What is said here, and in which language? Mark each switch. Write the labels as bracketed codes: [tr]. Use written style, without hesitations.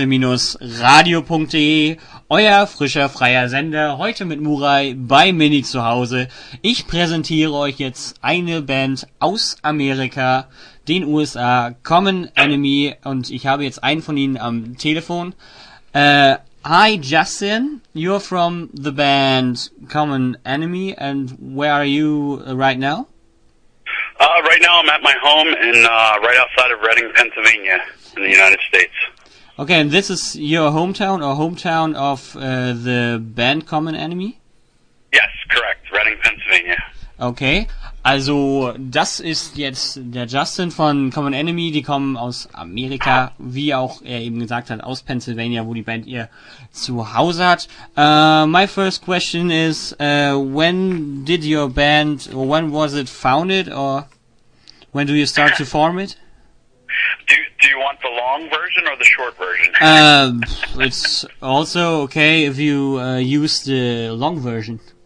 [de] www.kamikaze-radio.de, euer frischer freier Sender, heute mit Murai bei Mini zu Hause. Ich präsentiere euch jetzt eine Band aus Amerika, den USA, Common Enemy, und ich habe jetzt einen von ihnen am Telefon. [en] Hi Justin, you're from the band Common Enemy, and where are you right now? Right now I'm at my home in right outside of Reading, Pennsylvania, in the United States. Okay, and this is your hometown or hometown of the band Common Enemy? Yes, correct. Reading, Pennsylvania. [de] Okay, also das ist jetzt der Justin von Common Enemy. Die kommen aus Amerika, wie auch er eben gesagt hat, aus Pennsylvania, wo die Band ihr Zuhause hat. [en] My first question is, when did your band, or when was it founded, or when do you start to form it? Do you want the long version or the short version? It's also okay if you use the long version.